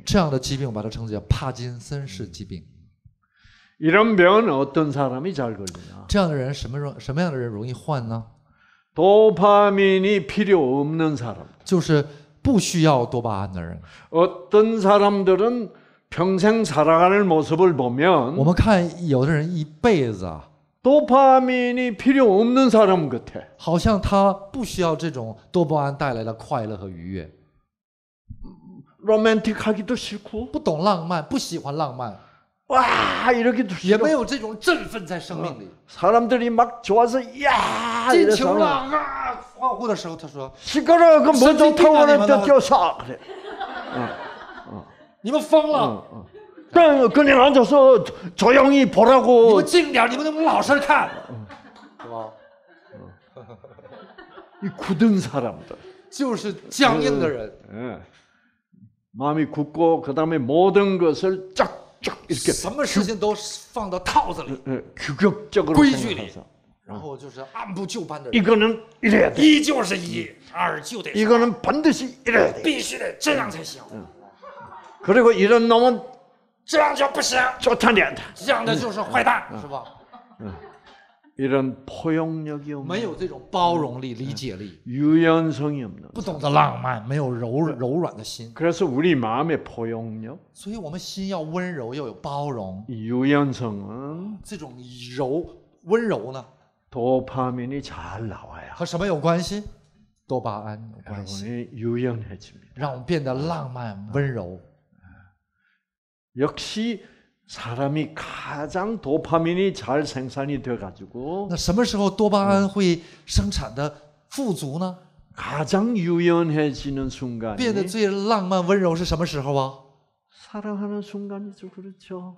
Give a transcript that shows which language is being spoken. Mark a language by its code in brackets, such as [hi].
[zh] 这样的疾病把它称之为帕金森氏疾病. [ko] 이런 병은 어떤 사람이 잘 걸리냐? [zh] 这样的人什么样的人容易患呢? [ko] 도파민이 필요 없는 사람. [zh] 就是不需要多巴胺的人. [ko] 어떤 사람들은 평생 살아가는 모습을 보면 [zh] 我们看有的人一辈子 [ko] 도파민이 필요 없는 사람 같아. [zh] 好像他不需要这种多巴胺带来的快乐和愉悦. [ko] 로맨틱하기도 싫고 [zh] 不懂浪漫,不喜欢浪漫. [ko] 와, 이렇게도 싫어. [zh] 也没有这种振奋在生命里. [ko] 사람들이 막 좋아서 야, [zh] 进球了啊, 欢呼的时候他说, [ko] 시끄러, 그 먼저 타고는 뛰어서 그래. [zh] 你们疯了. [ko] 그냥 앉아서 조용히 보라고. [zh] 你们静点，你们能不能老实看？ [ko] 이 굳은 사람들. [zh] 就是僵硬的人。 [ko] 마음이 굳고 그다음에 모든 것을 쫙쫙 이렇게. [zh] 什么事情都放到套子里。 [ko] 규격적으로 생각해서. [zh] 然后就是按部就班的。 [ko] 이거는 이래야 돼. [zh] 一就是一，二就得。 [ko] 이거는 반드시 이래야 돼. [zh] 必须得这样才行。 [ko] 그리고 이런 놈은 [zh] 这样就不行，就他娘的，这样的就是坏蛋，是吧？ [ko] 이런 포용력이 없는, [zh] 没有这种包容力、理解力， [ko] 유연성이 없는, [zh] 不懂得浪漫，没有柔软的心。 [ko] 그래서 우리 마음의 포용력, [zh] 所以我们心要温柔又有包容。 [ko] 유연성은, [zh] 这种柔温柔呢， [ko] 도파민이 잘 나와야. [zh] 和什么有关系？多巴胺有关系。 [ko] 유연해집니다. [zh] 让我们变得浪漫温柔。 [ko] 역시 사람이 가장 도파민이 잘 생산이 돼가지고 [zh] 那什么时候多巴胺会生产的富足呢? [ko] 가장 유연해지는 순간이 [zh] 变得最浪漫温柔是什么时候啊? [ko] 사랑하는 순간이죠, 그렇죠?